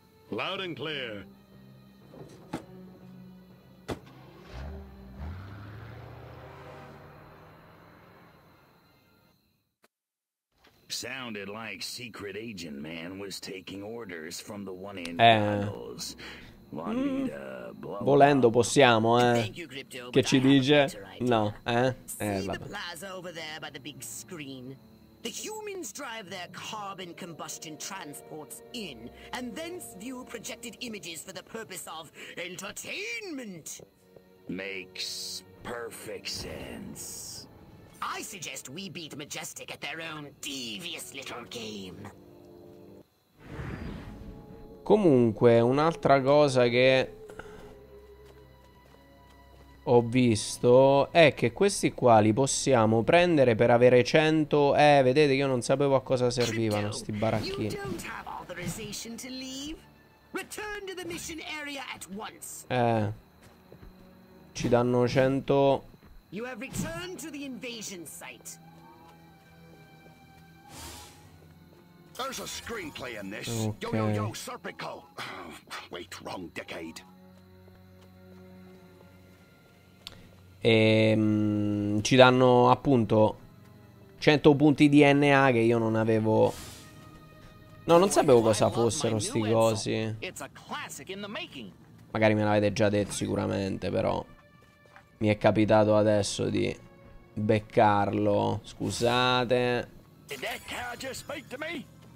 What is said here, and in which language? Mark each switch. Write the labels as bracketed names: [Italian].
[English] Loud and clear. Sounded like Secret Agent Man was taking orders from the one in battles. [Italian] Volendo possiamo, che ci dice? [English] No, The humans drive their carbon combustion transports in and thence view projected images for the purpose of entertainment. Makes perfect sense. I suggest we beat Majestic at their own devious little game. [Italian] Comunque, un'altra cosa che ho visto è che questi qua li possiamo prendere per avere 100... vedete che io non sapevo a cosa servivano sti baracchini. [English] You don't have authorization to leave. Return to the mission area at once. [Italian] Ci danno 100... [English] You have returned to the invasion site. There's a screenplay in this. Okay. Yo, yo, yo, Serpico. Wait, wrong decade. [Italian] Ci danno appunto 100 punti DNA che io non avevo. No, non sapevo cosa fossero sti cosi. [English] It's a classic in the making. [Italian] Magari me l'avete già detto sicuramente, però mi è capitato adesso di beccarlo. Scusate. [English] Did that car just speak to me?